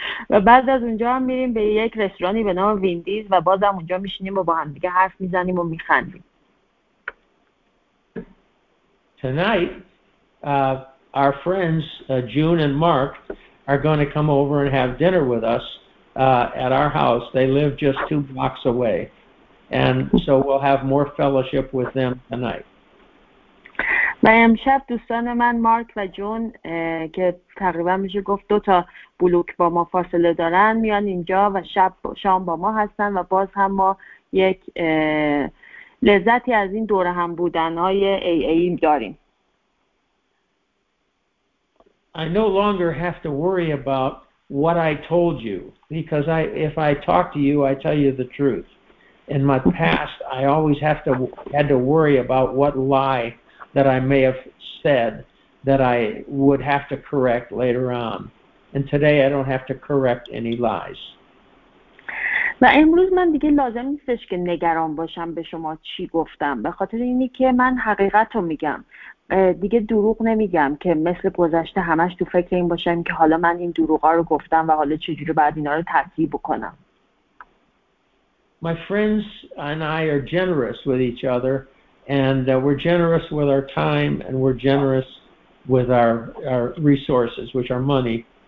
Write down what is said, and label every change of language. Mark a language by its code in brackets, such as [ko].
[fa] و بعد از اونجا هم میریم به یک رستورانی به نام ویندیز و باز هم اونجا میشینیم و با هم دیگه حرف میزنیم و میخندیم. [en] tonight, our friends, June and Mark, are going to come over and have dinner with us at our house. They live just two blocks away. And so we'll have more fellowship with them tonight. [fa] و امشب دوستان من مارک و جون که تقریبا میشه گفت دو تا بلوک با ما فاصله دارن میان اینجا و شب شام با ما هستن و باز هم ما یک لذتی از این دور هم بودن های AA داریم. [en] I no longer have to worry about what I told you because if I talk to you I tell you the truth. In my past I always had to worry about what lie that I may have said that I would have to correct later on. And today I don't have to correct any lies. [fa] و امروز من دیگه لازم نیستش که نگران باشم به شما چی گفتم به خاطر اینی که من حقیقت رو میگم. دیگه دروغ نمیگم که مثل گذشته همش تو فکر این باشم که حالا من این دروغا رو گفتم و حالا چجوری بعد اینا رو تصحیح بکنم. [en] My friends and I are generous with each other. And we're generous with our time, and we're generous with our resources, which are money.